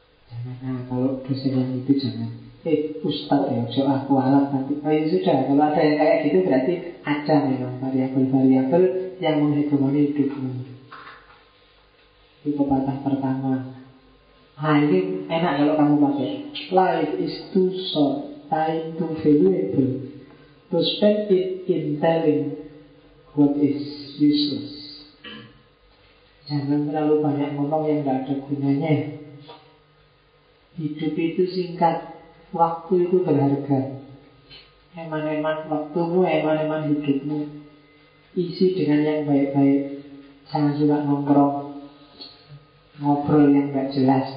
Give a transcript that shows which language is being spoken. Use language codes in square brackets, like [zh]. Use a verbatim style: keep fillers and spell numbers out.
[id] Jangan, kalau dosen yang itu jangan. Eh, Ustadz ya, so aku alam nanti. Oh ya sudah, kalau ada yang kayak gitu berarti ada memang variabel-variabel yang menghegemoni hidupmu. Itu pepatah pertama. Nah ini enak kalau kamu pakai. [en] Life is too short, time too valuable to spend it in telling what is useless. [id] Jangan terlalu banyak ngomong yang tidak ada gunanya. Hidup itu singkat, waktu itu berharga. Eman-eman waktumu, eman-eman hidupmu. Isi dengan yang baik-baik. Jangan suka nongkrong, ngobrol yang gak jelas.